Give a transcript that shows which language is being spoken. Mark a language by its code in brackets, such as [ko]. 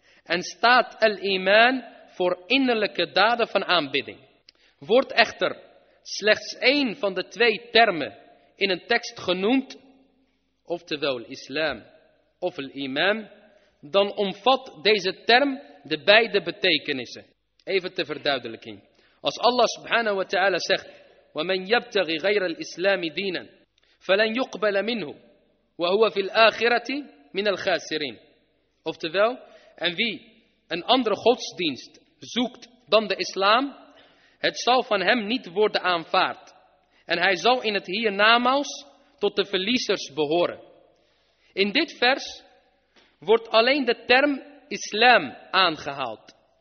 [nl] En staat al-iman voor innerlijke daden van aanbidding. Wordt echter slechts één van de twee termen in een tekst genoemd, oftewel islam of al-iman, dan omvat deze term de beide betekenissen. Even ter verduidelijking. Als Allah subhanahu wa ta'ala zegt, [ar] وَمَنْ يَبْتَغِ غَيْرَ الْإِسْلَامِ دِينًا فَلَنْ يُقْبَلَ مِنْهُ وَهُوَ فِي الْآخِرَةِ مِنَ الْخَاسِرِينَ. [nl] Oftewel, en wie een andere godsdienst zoekt dan de islam, het zal van hem niet worden aanvaard. En hij zal in het hiernamaals tot de verliezers behoren. In dit vers wordt alleen de term islam aangehaald.